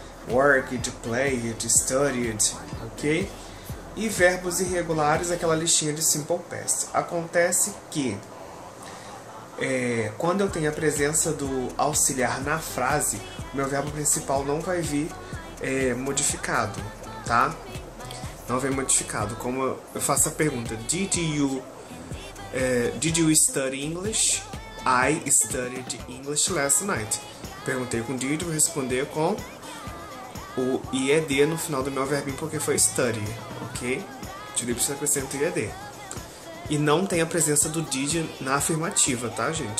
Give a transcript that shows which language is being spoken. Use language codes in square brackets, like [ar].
[en] Worked, played, studied, ok? [pt] E verbos irregulares, aquela listinha de Simple Past. Acontece que, quando eu tenho a presença do auxiliar na frase, o meu verbo principal não vai vir modificado, tá? Não vem modificado. Como eu faço a pergunta, [en] did you study English? I studied English last night. [pt] Perguntei com did, vou responder com o IED no final do meu verbinho, porque foi study, ok? Tilipse acrescenta IED. E não tem a presença do did na afirmativa, tá, gente?